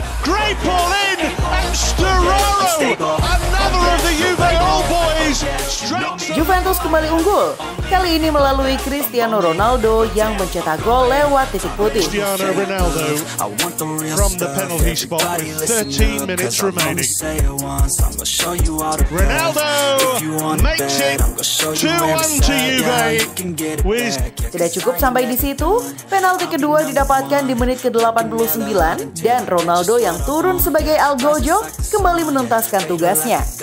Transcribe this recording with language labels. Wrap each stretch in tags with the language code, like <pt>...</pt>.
<en>Great ball in, and Sturaro, another of the Juve old boys.</en> <id>Juventus kembali unggul. Kali ini melalui Cristiano Ronaldo yang mencetak gol lewat titik putih.</id> <en>Cristiano Ronaldo from the penalty spot with 13 minutes remaining. Ronaldo makes it 2-1 to Juve.</en> <id>Tidak cukup sampai di situ, penalti kedua didapatkan di menit ke-89 dan Ronaldo yang turun sebagai algojo kembali menuntaskan tugasnya.</id>